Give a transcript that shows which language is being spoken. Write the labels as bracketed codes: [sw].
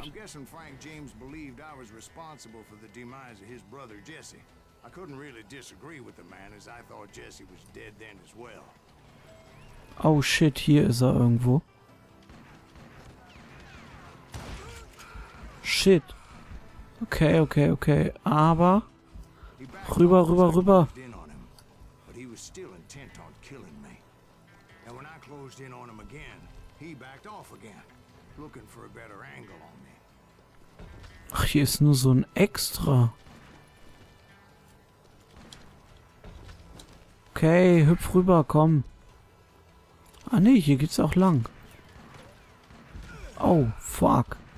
[en] I'm guessing Frank James believed I was responsible for the demise of his brother Jesse. I couldn't really disagree with the man, as I thought Jesse was dead then as well. [de] Oh shit, hier ist er irgendwo. Shit. Okay, okay, okay. Aber... rüber, rüber, rüber. [en] But he was still intent on killing me. And when I closed in on him again, he backed off again, looking for a better angle on me. [de] Ach, hier ist nur so ein Extra. Okay, hüpf rüber, komm. Ah ne, hier geht's auch lang. Oh, fuck.